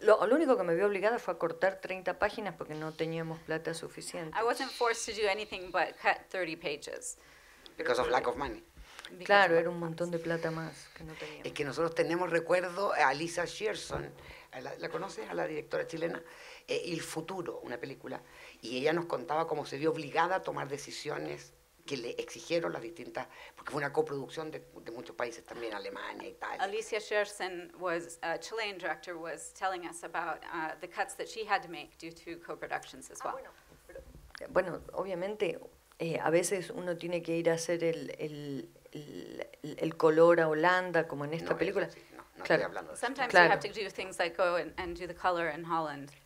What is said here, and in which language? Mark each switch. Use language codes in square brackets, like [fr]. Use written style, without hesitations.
[es] Lo único que me vi obligada fue a cortar 30 páginas porque no teníamos plata suficiente. [en] I wasn't forced to do anything but cut 30 pages. Because of lack of money. [es] Claro, era un montón de plata más que no teníamos. Es que nosotros tenemos recuerdo a Lisa Shearson. ¿La conoces? A la directora chilena. El futuro, una película. Y ella nos contaba cómo se vio obligada a tomar decisiones que le exigieron las distintas, porque fue una coproducción de muchos países también, Alemania, Italia. [en] Alicia Scherzen was a Chilean director, was telling us about the cuts that she had to make due to co-productions as well. [es] Bueno, obviamente, a veces uno tiene que ir a hacer el color a Holanda, como en esta película. Claro. Estoy hablando de [en] sometimes [es] eso. [en] You have to do things like go and do the color in Holland.